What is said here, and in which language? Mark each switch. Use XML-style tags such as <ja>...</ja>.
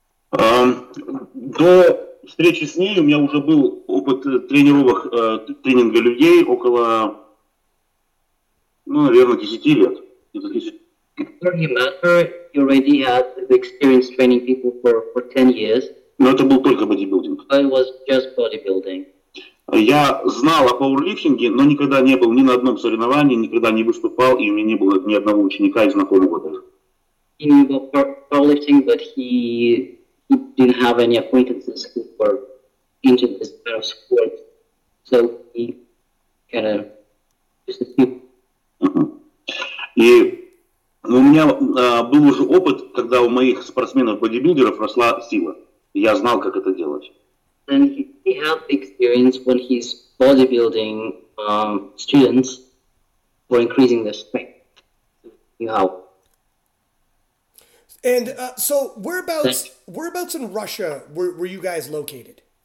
<ru>До встречи с ней у меня уже был опыт тренировок, тренинга людей около, ну, наверное, 10 лет.</ru> <en>After he met her, he already had the experience training people for 10 years.</en> <ru>Но это был только бодибилдинг.</ru> <en>But it was just bodybuilding.</en> <ru>Я знал о пауэрлифтинге, но никогда не был ни на одном соревновании, никогда не выступал, и у меня не было ни одного ученика и знакомого даже.</ru> <en>He knew about powerlifting, but he didn't have any acquaintances who were into this kind of sport. So he kind of just a few.</en> <ru>И... Но у меня был уже опыт, когда у моих спортсменов-бодибилдеров росла сила. Я знал, как это делать.</ru> <en>And he had the experience when his bodybuilding students were increasing their strength. You know. And so whereabouts in Russia were you guys located?</en>